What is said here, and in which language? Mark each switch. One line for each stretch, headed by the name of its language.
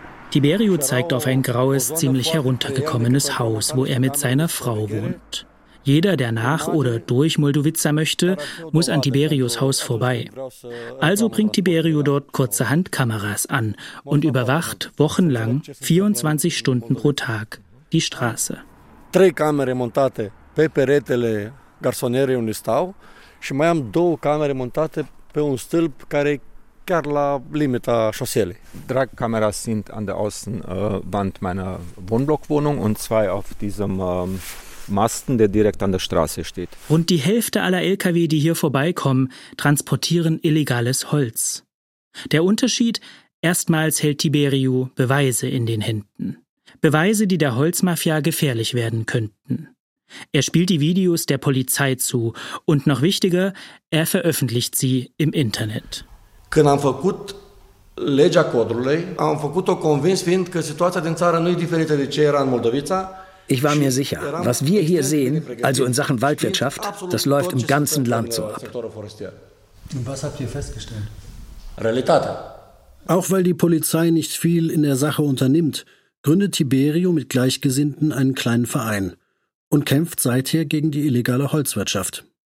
German: Tiberiu zeigt auf ein graues, ziemlich heruntergekommenes Haus, wo er mit seiner Frau wohnt. Jeder, der nach oder durch Moldovica möchte, muss an Tiberius Haus vorbei. Also bringt Tiberiu dort kurzerhand Kameras an und überwacht wochenlang, 24 Stunden pro Tag, die Straße. Drei Kameras
Romanian: montate pe peretele garsoniere unde stau și mai am două camere montate pe un stâlp care chiar la limita șoselei.
German: Drei Kameras sind an der Außenwand meiner Wohnblockwohnung und zwei auf diesem Masten, der direkt an der Straße steht. Rund die Hälfte aller Lkw, die hier vorbeikommen, transportieren illegales Holz. Der Unterschied, erstmals hält Tiberiu Beweise in den Händen. Beweise, die der Holzmafia gefährlich werden könnten. Er spielt die Videos der Polizei zu und noch wichtiger, er veröffentlicht sie im Internet.
Romanian: Când am făcut legea codrului, am făcut-o convins fiind că situația din țară nu e diferită de ce era în Moldovița.
German: Ich war mir sicher, was wir hier sehen, also in Sachen Waldwirtschaft, das läuft im ganzen Land so ab. Und was habt ihr festgestellt? Realität. Auch weil die Polizei nicht viel in der Sache unternimmt, gründet Tiberiu mit Gleichgesinnten einen kleinen Verein und kämpft seither gegen die illegale Holzwirtschaft.